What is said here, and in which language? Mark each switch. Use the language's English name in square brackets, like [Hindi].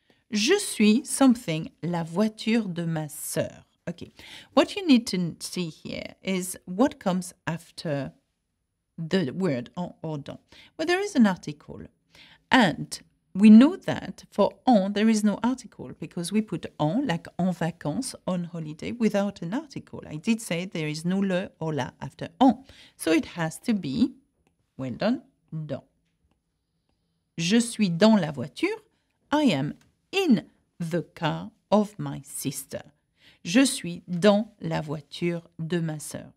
[French] Je suis something, la voiture de ma sœur. [English] Okay, what you need to see here is what comes after the word en or dans. Well, there is an article. And we know that for en, there is no article because we put en, like en vacances, on holiday, without an article. I did say there is no le or la after en. So it has to be, well done, dans. [French] Je suis dans la voiture. [English] I am in the car of my sister. [French] Je suis dans la voiture de ma sœur.